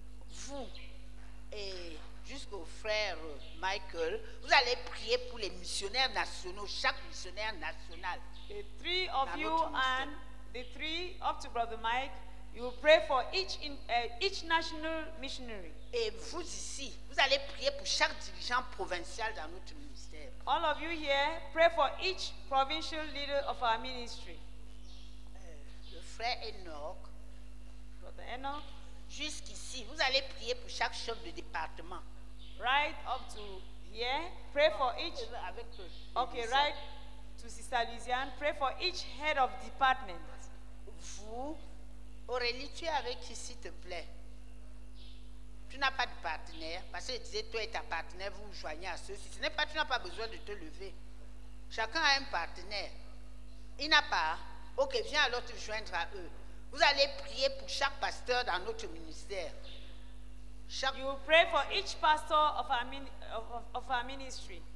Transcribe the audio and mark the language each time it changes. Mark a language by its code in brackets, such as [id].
[fr] Vous et jusqu'au frère Michael, vous allez prier pour les missionnaires nationaux, chaque missionnaire national. [en] The three of you and the three up to Brother Mike, you will pray for each national missionary. [fr] Et vous ici, vous allez prier pour chaque dirigeant provincial dans notre ministère. [en] All of you here, pray for each provincial leader of our ministry. [fr] Le frère Enoch. [en] Brother Enoch. [fr] Jusqu'ici, vous allez prier pour chaque chef de département. [en] right up to here. Pray for each. Okay, right to Sister Louisiane. Pray for each head of department. [fr] Vous, Aurélie, tu es avec qui, s'il te plaît? Tu n'as pas de partenaire. Parce que je disais, toi et ta partenaire, vous vous joignez à ceux-ci. Ce n'est pas, tu n'as pas besoin de te lever. Chacun a un partenaire. Il n'a pas. Ok, viens alors te joindre à eux. Vous allez prier pour chaque pasteur dans notre ministère. [en] You will pray for each pastor of our, our ministry.